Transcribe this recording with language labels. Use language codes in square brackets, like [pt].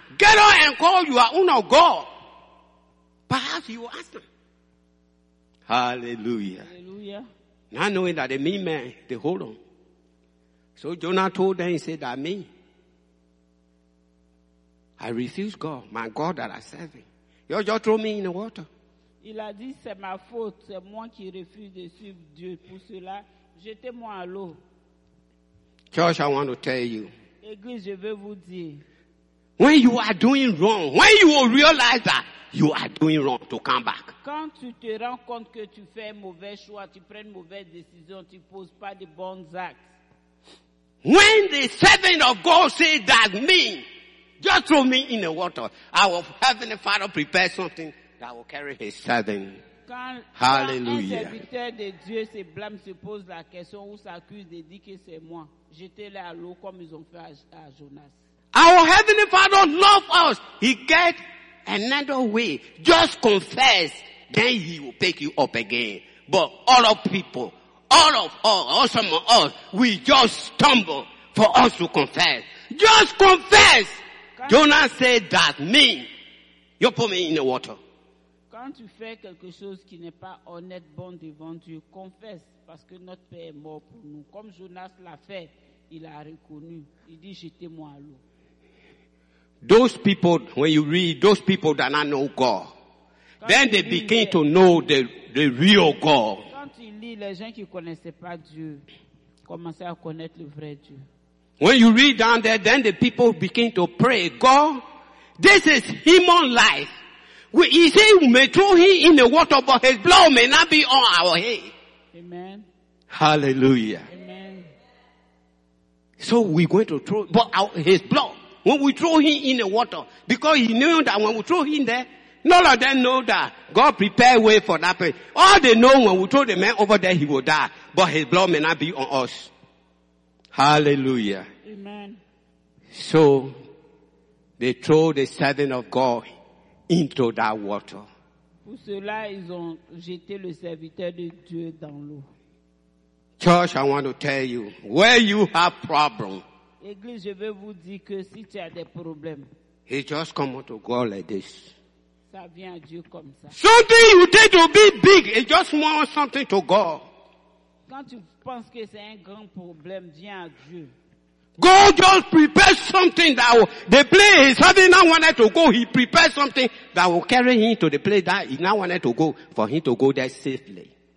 [en] Get up and call your own God. Perhaps you will answer. Hallelujah. Hallelujah. Not knowing that the mean man, they hold on. So Jonah told them, he said, that me, I refuse God, my God that I serve him. You just throw me in the water. [fr] Il a dit, c'est ma faute, c'est moi qui refuse de suivre Dieu. Pour cela, jetez-moi à l'eau. [en] Church, I want to tell you. [fr] Église, je veux vous dire. [en] When you are doing wrong, when you will realize that you are doing wrong to come back. [fr] Quand tu te rends compte que tu fais un mauvais choix, tu prends une mauvaise décision, tu ne poses pas de bons actes. [en] When the servant of God says that me, just throw me in the water, our heavenly Father prepare something that will carry his servant. Hallelujah. [fr] Quand un serviteur de Dieu se blâme, se pose la question ou s'accuse de dire que c'est moi, jetez-le à l'eau comme ils ont fait à Jonas. [en] Our heavenly Father loves us. He gets another way. Just confess, then he will pick you up again. But all of people, all of us, all some of us, we just stumble for us to confess. Just confess. Jonas said that me, you put me in the water. [fr] Quand tu fais quelque chose qui n'est pas honnête, bon devant Dieu, confesse, parce que notre Père est mort pour nous. Comme Jonas l'a fait, il a reconnu. Il dit, jetez-moi à l'eau. [en] Those people, when you read, those people that not know God, [fr] quand [en] then they begin to know the real God. [fr] Quand tu lis, les gens qui ne connaissaient pas Dieu commençaient à connaître le vrai Dieu. [en] When you read down there, then the people begin to pray, God, this is human life. He said we may throw him in the water, but his blood may not be on our head. Amen. Hallelujah. Amen. So we're going to throw, but his blood, when we throw him in the water, because he knew that when we throw him there, none of them know that God prepared way for that place. All they know when we throw the man over there, he will die. But his blood may not be on us. Hallelujah. Amen. So, they throw the servant of God into that water. [fr] Pour cela, ils ont jeté le serviteur de Dieu dans l'eau. [en] Church, I want to tell you, where you have problem. [fr] Église, je veux vous dire que si tu as des problèmes, [en] he just come to God like this. [fr] Ça vient à Dieu comme ça. [en] Something you did to be big, it just more something to God. [fr] Quand tu penses que c'est un grand problème, viens à Dieu. [en] God just prepared something that will, the place he suddenly now wanted to go, he prepared something that will carry him to the place that he now wanted to go, for him to go there safely.